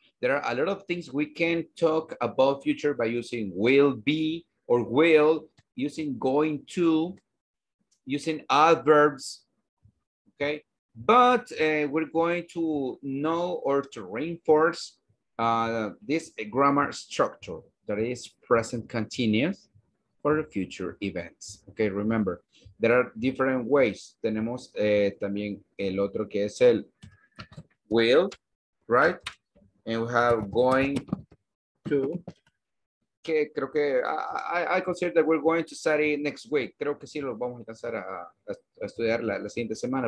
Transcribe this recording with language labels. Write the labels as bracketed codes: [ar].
[en] There are a lot of things we can talk about future by using will be or will, using going to, using adverbs, okay? But we're going to know or to reinforce this grammar structure that is present continuous for future events. Okay, remember, there are different ways. [es] Tenemos también el otro que es el will, [en] right? And we have going to, [es] que creo que [en] I consider that we're going to study next week. [es] Creo que sí lo vamos a alcanzar a estudiar la siguiente semana.